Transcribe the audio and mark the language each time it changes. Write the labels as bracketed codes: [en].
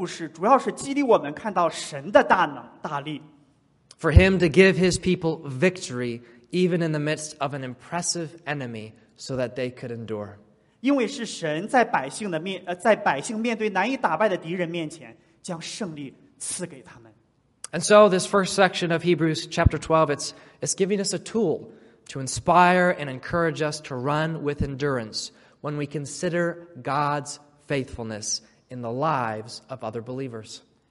[zh] 大卫打败哥利亚的故事主要是激励我们看到神的大能大力。 [en] For him to give his people victory even in the midst of an impressive enemy so that they could endure. [zh] 因为是神在百姓面对难以打败的敌人面前将胜利赐给他们。 [en] And so this first section of Hebrews chapter 12, it's giving us a tool to inspire and encourage us to run with endurance when we consider God's faithfulness in the lives of other believers.